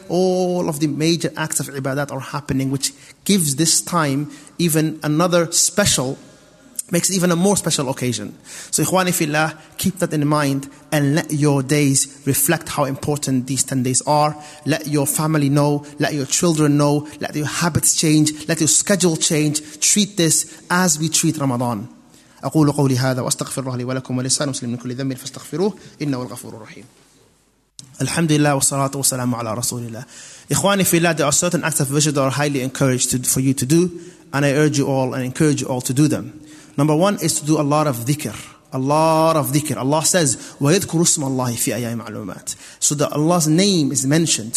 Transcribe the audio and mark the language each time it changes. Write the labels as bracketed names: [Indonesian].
[English] All of the major acts of ibadat are happening, which gives this time even another special, makes it even a more special occasion. So, ikhwani fillah, keep that in mind and let your days reflect how important these 10 days are. Let your family know, let your children know, let your habits change, let your schedule change. Treat this as we treat Ramadan. [Arabic] أقول قولي هذا واستغفر الله لي ولكم ولسان مسلم من كل ذنب فاستغفروه إنه الغفور الرحيم. Alhamdulillah, wa salatu wa salamu ala rasulillah. [English] Ikhwani fillah, there are certain acts of worship that are highly encouraged for you to do, and I urge you all and encourage you all to do them. Number one is to do a lot of dhikr. A lot of dhikr. Allah says, [Arabic] وَيَذْكُرُ اسْمَ اللَّهِ فِي أَيَّامِ مَعْلُومَاتٍ. [English] So that Allah's name is mentioned.